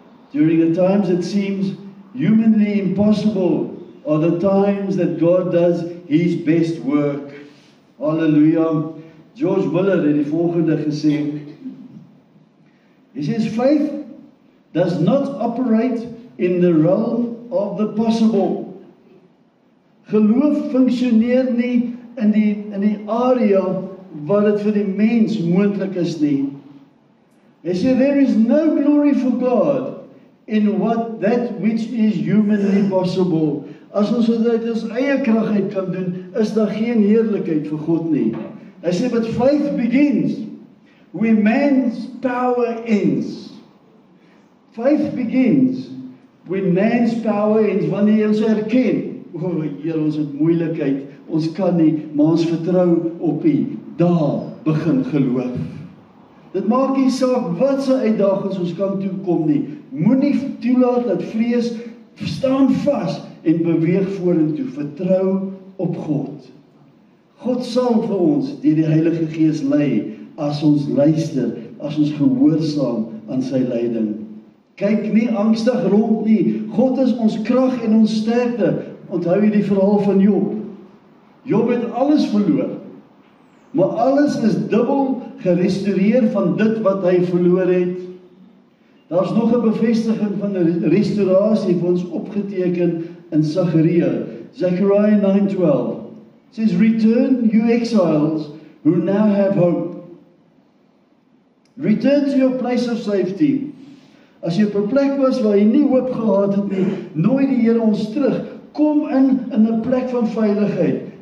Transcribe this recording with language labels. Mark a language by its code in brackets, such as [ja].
[en] During the times it seems humanly impossible are the times that God does his best work. [af] Hallelujah. George Miller het die volgende gesê. [en] He says, faith does not operate in the realm of the possible. [af] Geloof functioneer nie in die area wat het vir die mens moontlik is nie. [en] He said, there is no glory for God in what that which is humanly possible. [af] As ons dit ons eie krag uit kan doen, is daar geen heerlikheid vir God nie. [en] He said, but faith begins where man's power ends. Faith begins when man's power ends. [af] Wanneer ons erken, Heer, ons het moeilikheid, ons kan nie, maar ons vertrou op U. Daar begin geloof. Dit maak nie saak wat se uitdagings ons kan toekom nie. Moenie toelaat dat vrees staan vas en beweeg vorentoe. Vertrou op God. God sal vir ons deur die Heilige Gees lei as ons luister, as ons gehoorsaam aan sy leiding. Kyk nie angstig rond nie. God is ons krag en ons sterkte. Onthou jy die verhaal van Job? Job het alles verloor. Maar alles is dubbel gerestoreer van dit wat hy verloor het. Daar's nog 'n bevestiging van restaurasie vir ons opgeteken in Sagaria. [en] Zechariah 9:12. It says, return, you exiles who now have hope. Return to your place of safety. [af] As jy op 'n plek was waar jy nie hoop gehad het nie, nooi die Here ons terug. Kom in 'n plek van veiligheid.